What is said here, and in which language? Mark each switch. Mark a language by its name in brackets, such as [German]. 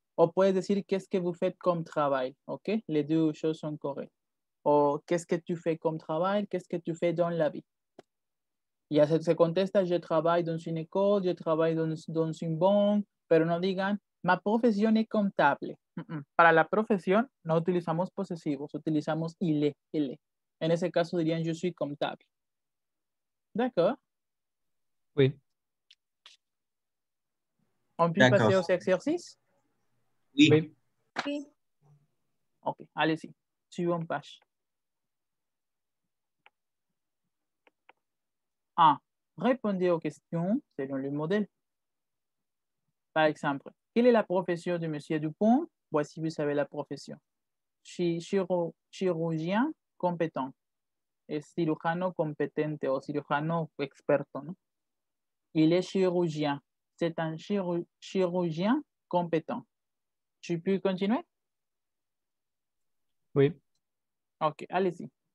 [Spanish] O puedes decir [French] qu'est-ce que vous faites comme travail, ok? Les deux choses sont correctes. O qu'est-ce que tu fais comme travail? Qu'est-ce que tu fais dans la vie? [Spanish] Ya se contesta, [French] je travaille dans une école, je travaille dans une banque, [Spanish] pero no digan, [French] ma profession est comptable. [Spanish] Para la profesión no utilizamos posesivos, utilizamos [French] il est, il est. [Spanish] En ese caso dirían yo soy comptable. ¿De acuerdo? [French] Oui. ¿On peut passer aux exercices? Oui. Oui. Ok, allez-y. Suivant page. Ah, répondez aux questions selon le modèle. Par exemple, quelle est la profession de Monsieur Dupont? Voici, vous savez la profession. Chirurgien compétent. [Spanish] Es cirujano competente o cirujano experto, ¿no? [French] Il est chirurgien. C'est un chirurgien compétent. ¿Tu peux continuer? Oui. Ok, allez-y.